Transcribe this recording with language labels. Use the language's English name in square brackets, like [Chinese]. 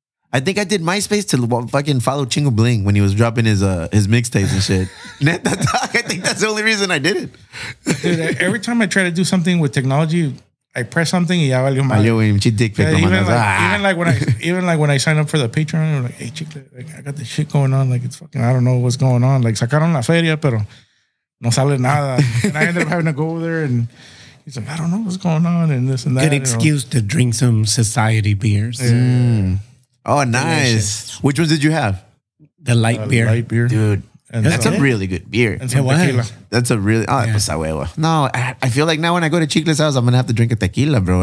[English] I think I did MySpace to fucking follow Chingo Bling when he was dropping his mixtapes and shit. I think that's the only reason I did it. Dude, every time I try to do something with technology, I press something and [Spanish] ya valió mal. [English] Even like when I signed up for the Patreon, I'm like, hey, Chicle, like, I got this shit going on. Like, it's fucking, I don't know what's going on. [Spanish] Like, sacaron la feria, pero no sale nada. [English] And I ended up having to go over there and... He's like, I don't know what's going on and this and that. Good excuse to drink some society beers. Yeah. Mm. Oh, nice. Delicious. Which ones did you have? The light beer. Light beer. Dude, and that's a really good beer. And some tequila. That's a really... Oh, yeah. [Spanish] Pues, no, [English] I feel like now when I go to Chicle's house, I'm going to have to drink a tequila, bro.